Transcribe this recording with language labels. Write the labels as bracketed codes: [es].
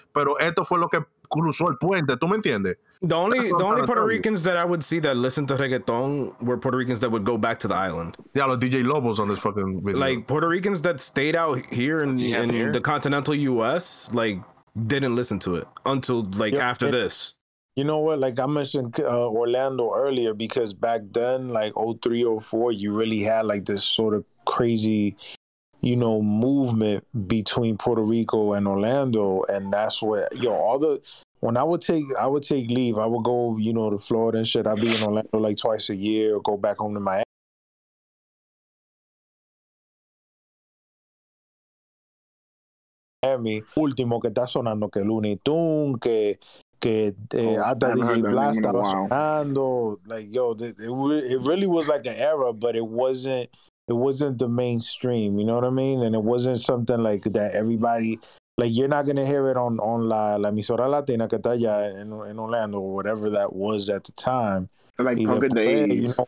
[es] Pero esto fue lo que cruzó el puente. ¿Tú me entiendes? [en] The only Puerto Ricans that I would see that listened to reggaeton were Puerto Ricans that would go back to the island. Yeah, like DJ Lobos on this fucking video. Like, Puerto Ricans that stayed out here in the continental U.S., like, didn't listen to it until, after this. You know what? Like, I mentioned Orlando earlier, because back then, like, 03, 04, you really had, like, this sort of crazy, movement between Puerto Rico and Orlando, and that's where, all the... When I would take leave, I would go, to Florida and shit. I'd be in Orlando like twice a year, or go back home to Miami. [es] Último que está sonando que Looney Tunes, hasta DJ Blast estaba sonando. [en] Like, it really was like an era, but it wasn't the mainstream. You know what I mean? And it wasn't something like that everybody. Like, you're not going to hear it on [es] la emisora latina que está allá [en] in Orlando or whatever that was at the time. Like, punk of the 80s.